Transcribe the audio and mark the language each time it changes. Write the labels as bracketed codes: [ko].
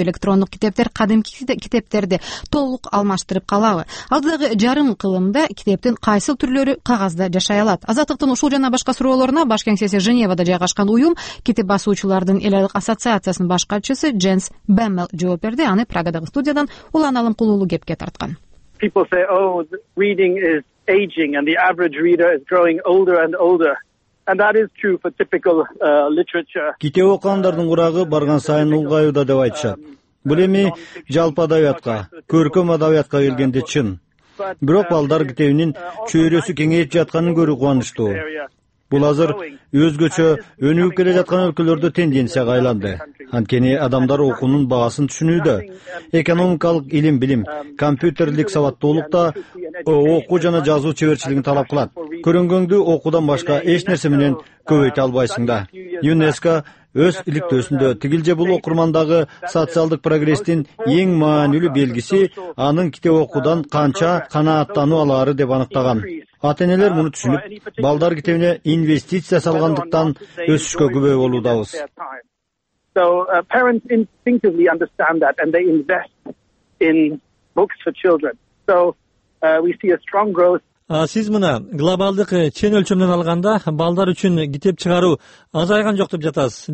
[ky] Электрондук китептер кадимки китептерди толук алмаштырып калабы? Алдыдагы жарым кылымда китептин кайсыл түрлөрү кагазда жашай алат? Азаттыктын ушул жана башка суроолоруна баш кеңсеси Женевада жайгашкан уюм китеп басуучулардын эл аралык ассоциациясынын башкачысы Дженс Бэммел жооп берди. Аны Прагадагы студиядан Улан Алымкулуулу кепке тарткан. [en] People say, oh, reading is aging and the average reader is growing older and older. And that is true for typical literature. [ky] Китеп окугандардын курагы барган сайын улгаюуда деп айтышат. Бул эми жалпы адабиятка, көркөм адабиятка келгенде чын. Бирок балдар китебинин чөйрөсү кеңейип жатканын көрүү кубанычтуу. Бул азыр өзгөчө өнүгүп келе жаткан өлкөлөрдө тенденцияга айланды. Анткени адамдар окуунун баасын түшүнүүдө. Экономикалык илим билим, компьютерлик сабаттуулук да окуу жана жазуу чеберчилигин талап кылат. Көрүнгөндү окуудан башка эч нерсе менен көбөйтө албайсың да. ЮНЕСКО өз иликтөөсүндө тигил же бул окурмандагы социалдык прогресстин эң маанилүү белгиси анын китеп окуудан канча канааттануу алары деп аныктаган. Ата энелер муну түшүнүп, балдар китебине инвестиция салгандыктан өсүшкө күбө болуудабыз. [en] So parents instinctively understand that and they invest in books for children. So we see a strong growth. [ky] Сиз мына глобалдык чен өлчөмдөн алганда балдар үчүн китеп чыгаруу азайган жок деп жатасыз.